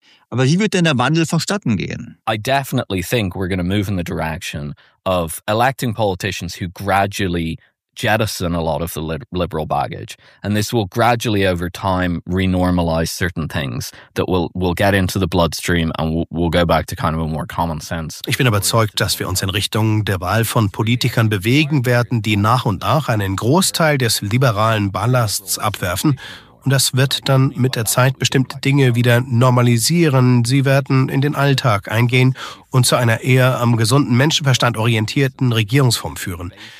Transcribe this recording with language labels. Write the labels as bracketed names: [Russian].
[German] Aber wie wird denn der Wandel vonstatten gehen? [English] I definitely think we're going to move in the direction of electing politicians who gradually jettison a lot of the liberal baggage, and this will gradually over time renormalize certain things that will get into the bloodstream and we'll go back to kind of a more common sense. [German] Ich bin überzeugt, dass wir uns in Richtung der Wahl von Politikern bewegen werden, die nach und nach einen Großteil des liberalen Ballasts abwerfen. Und das wird dann mit der Zeit bestimmte Dinge wieder normalisieren. Sie werden in den Alltag eingehen und zu einer eher am gesunden Menschenverstand orientierten Regierungsform führen.